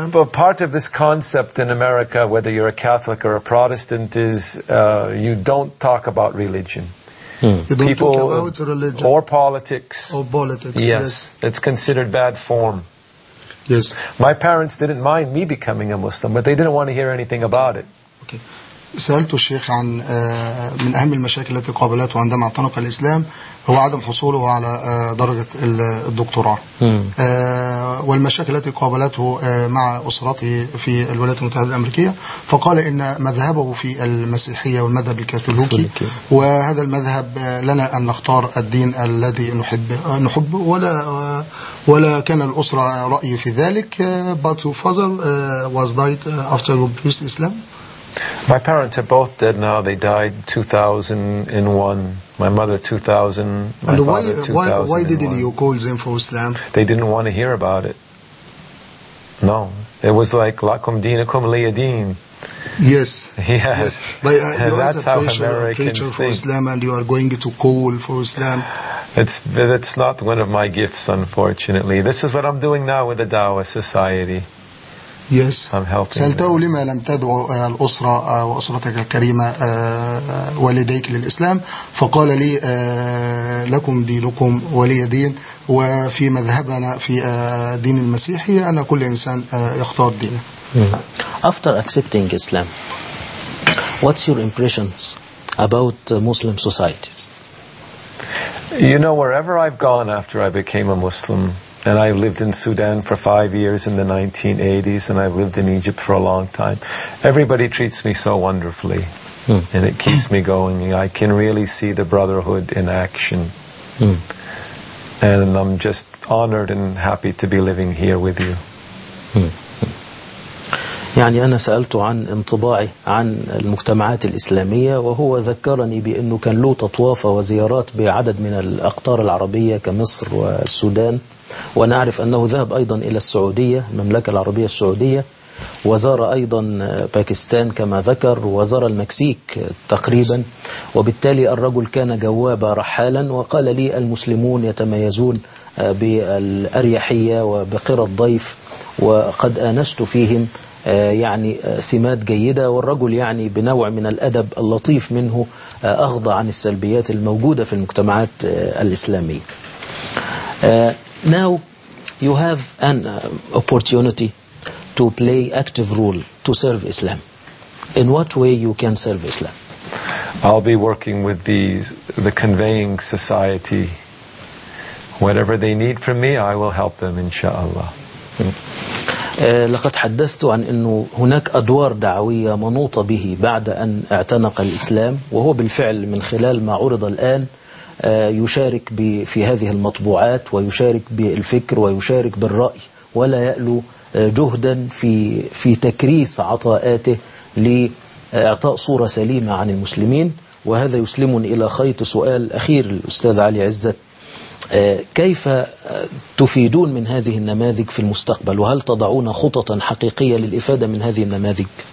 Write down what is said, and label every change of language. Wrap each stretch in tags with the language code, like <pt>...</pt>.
<en>But part of this concept in America, whether you're a Catholic or a Protestant, is you don't talk about religion. You don't people talk about religion. Or politics. Or politics, yes. It's considered bad form. Yes. My parents didn't mind me becoming a Muslim, but they didn't want to hear anything about it. Okay.</en> <ar>سألت الشيخ عن من أهم المشاكل التي قابلته عندما اعتنق الإسلام هو عدم حصوله على درجة الدكتوراه والمشاكل التي قابلته مع أسرته في الولايات المتحدة الأمريكية فقال إن مذهبه في المسيحية والمذهب الكاثوليكي وهذا المذهب لنا أن نختار الدين الذي نحب ولا كان الأسرة رأي في ذلك</ar> <en>but his father was died after embraced Islam. My parents are both dead now. They died 2001. My mother 2000. Why didn't you call them for Islam? They didn't want to hear about it. No. It was like,</en> <ar>lakum dinakum liyadin.</ar> <en>Yes. Yes. That's how Americans think. For Islam and you are going to call for Islam. It's not one of my gifts, unfortunately. This is what I'm doing now with the Dawah Society. Yes. I'm helping.</en> <ar>سألته لما لم تدعو الأسرة وأسرتك الكريمة والديك للإسلام فقال لي لكم دينكم ولي دين وفي مذهبنا في دين المسيحي أن كل إنسان يختار دينه.</ar> <en>After accepting Islam, what's your impressions about Muslim societies? You know, wherever I've gone after I became a Muslim, and I lived in Sudan for 5 years in the 1980s, and I've lived in Egypt for a long time. Everybody treats me so wonderfully, and it keeps me going. I can really see the brotherhood in action. And I'm just honored and happy to be living here with you.</en> <ar>يعني أنا سألت عن انطباعي عن المجتمعات الإسلامية وهو ذكرني بأنه كان له تطوافة وزيارات بعدد من الأقطار العربية كمصر والسودان ونعرف أنه ذهب أيضا إلى السعودية المملكة العربية السعودية وزار أيضا باكستان كما ذكر وزار المكسيك تقريبا وبالتالي الرجل كان جوابا رحالا وقال لي المسلمون يتميزون بالأريحية وبقرى الضيف وقد آنست فيهم يعني سمات جيدة والرجل يعني بنوع من الأدب اللطيف منه أغضى عن السلبيات الموجودة في المجتمعات الإسلامية.</ar> <en>Now you have an opportunity to play active role to serve Islam. In what way you can serve Islam? I'll be working with the conveying society. Whatever they need from me, I will help them, inshallah.</en> <ar>لقد حدثت عن أنه هناك أدوار دعوية منوطة به بعد أن اعتنق الإسلام وهو بالفعل من خلال ما عرض الآن يشارك في هذه المطبوعات ويشارك بالفكر ويشارك بالرأي ولا يألو جهدا في تكريس عطاءاته لإعطاء صورة سليمة عن المسلمين وهذا يسلمني إلى خيط سؤال أخير للأستاذ علي عزت كيف تفيدون من هذه النماذج في المستقبل وهل تضعون خططا حقيقية للإفادة من هذه النماذج</ar>